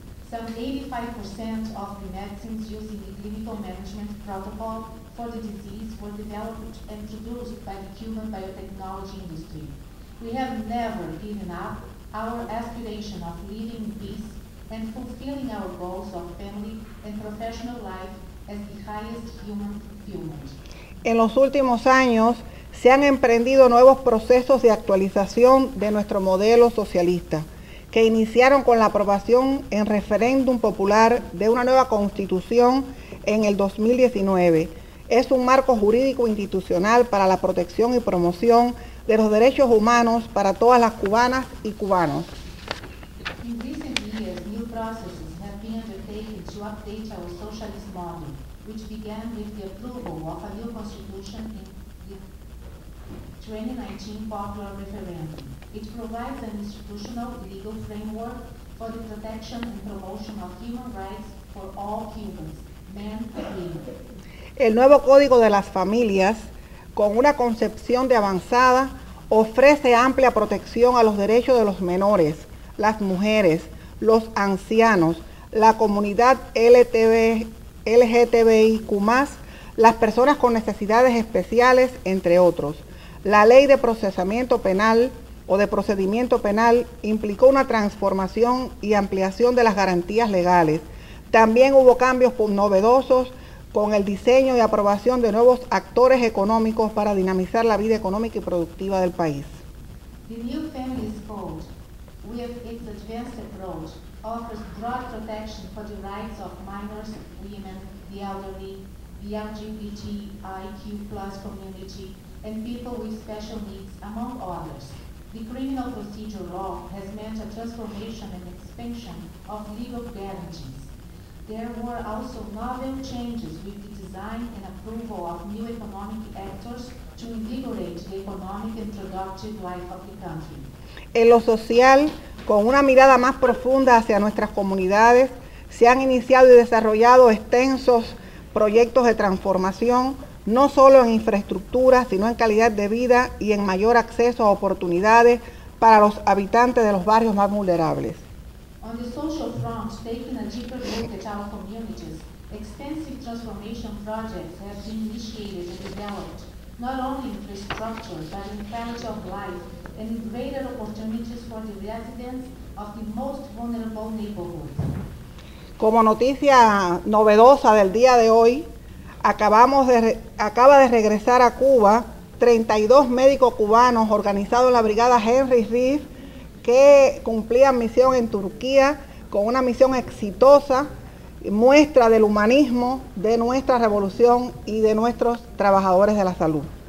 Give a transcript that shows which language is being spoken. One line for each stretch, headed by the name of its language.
English: Some 85% of the medicines used in the clinical management protocol for the disease were developed and produced by the Cuban biotechnology industry. We have never given up our aspiration of living in peace and fulfilling our goals of family and professional life as the highest human fulfillment.
Spanish: En los últimos años, se han emprendido nuevos procesos de actualización de nuestro modelo socialista, que iniciaron con la aprobación en referéndum popular de una nueva constitución en el 2019. Es un marco jurídico institucional para la protección y promoción de los derechos humanos para todas las cubanas y cubanos.
English: In recent years, new processes have been undertaken to update our socialist model, which began with the approval of a new constitution in the 2019 popular referendum. It provides an institutional legal framework for the protection and promotion of human rights for all Cubans, men and women.
Spanish: El nuevo Código de las Familias, con una concepción de avanzada, ofrece amplia protección a los derechos de los menores, las mujeres, los ancianos, la comunidad LGTBIQ+, las personas con necesidades especiales, entre otros. La Ley de Procesamiento Penal o de Procedimiento Penal implicó una transformación y ampliación de las garantías legales. También hubo cambios novedosos con el diseño y aprobación de nuevos actores económicos para dinamizar la vida económica y productiva del país.
English: The new Families Code, with its advanced approach, offers broad protection for the rights of minors, women, the elderly, the LGBTIQ+ community, and people with special needs, among others. The criminal procedure law has meant a transformation and expansion of legal guarantees. There were also novel changes with the design and approval of new economic actors to invigorate the economic and productive life of the country.
Spanish: En lo social, con una mirada más profunda hacia nuestras comunidades, se han iniciado y desarrollado extensos proyectos de transformación, no solo en infraestructura, sino en calidad de vida y en mayor acceso a oportunidades para los habitantes de los barrios más vulnerables.
English: On the social front, taking a deeper look at our communities, extensive transformation projects have been initiated and developed, not only infrastructure, but in quality of life and greater opportunities for the residents of the most vulnerable neighborhoods.
Spanish: Como noticia novedosa del día de hoy, acaba de regresar a Cuba 32 médicos cubanos organizados en la Brigada Henry Reeve, que cumplían misión en Turquía con una misión exitosa, muestra del humanismo de nuestra revolución y de nuestros trabajadores de la salud.